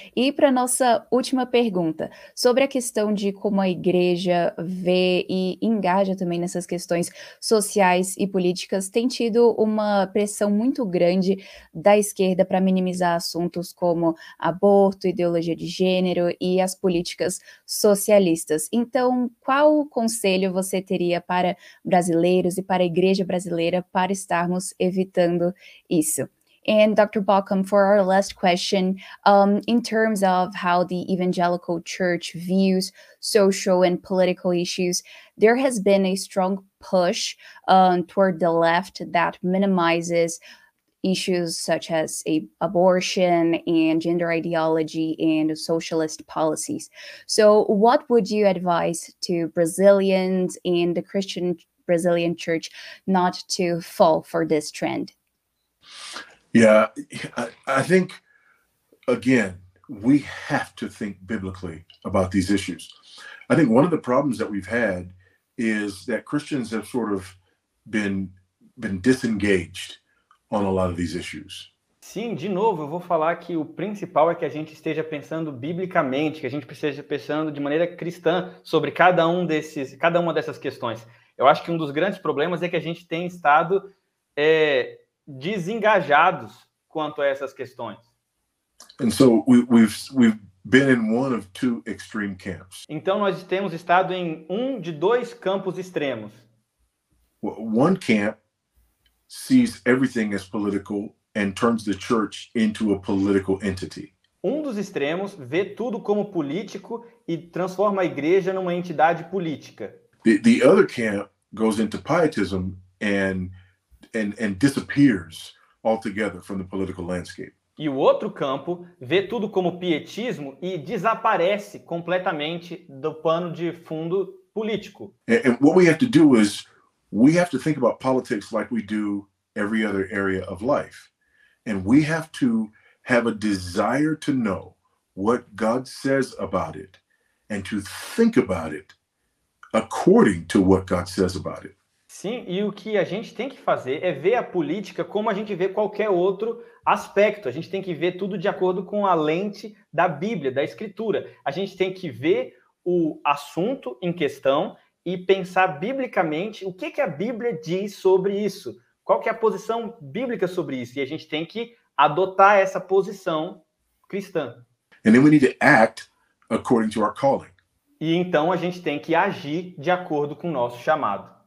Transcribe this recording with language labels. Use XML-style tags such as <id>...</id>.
<pt>E para a nossa última pergunta, sobre a questão de como a igreja vê e engaja também nessas questões sociais e políticas, tem tido uma pressão muito grande da esquerda para minimizar assuntos como aborto, ideologia de gênero e as políticas socialistas. Então, qual conselho você teria para brasileiros e para a igreja brasileira para estarmos evitando isso?</pt> <en>And Dr. Baucom, for our last question, in terms of how the evangelical church views social and political issues, there has been a strong push toward the left that minimizes issues such as abortion and gender ideology and socialist policies. So what would you advise to Brazilians and the Christian Brazilian church not to fall for this trend? Yeah, I think, again, we have to think biblically about these issues. I think one of the problems that we've had is that Christians have sort of been disengaged on a lot of these issues.</en> <pt>Sim, de novo, eu vou falar que o principal é que a gente esteja pensando biblicamente, que a gente esteja pensando de maneira cristã sobre cada uma dessas questões. Eu acho que um dos grandes problemas é que a gente tem estado desengajados quanto a essas questões.</pt> <en>And so we've been in one of two extreme camps.</en> <pt>Então nós temos estado em um de dois campos extremos.</pt> <en>One camp sees everything as political and turns the church into a political entity.</en> <pt>Um dos extremos vê tudo como político e transforma a igreja numa entidade política.</pt> <en>The other camp goes into pietism and disappears altogether from the political landscape.</en> <pt>E o outro campo vê tudo como pietismo e desaparece completamente do pano de fundo político.</pt> <en>And what we have to do is we have to think about politics like we do every other area of life. And we have to have a desire to know what God says about it and to think about it according to what God says about it.</en> <pt>Sim, e o que a gente tem que fazer é ver a política como a gente vê qualquer outro aspecto. A gente tem que ver tudo de acordo com a lente da Bíblia, da Escritura. A gente tem que ver o assunto em questão e pensar biblicamente o que a Bíblia diz sobre isso. Qual que é a posição bíblica sobre isso? E a gente tem que adotar essa posição cristã.</pt> <en>And then we need to act according to our calling.</en> <pt>E então a gente tem que agir de acordo com o nosso chamado.</pt>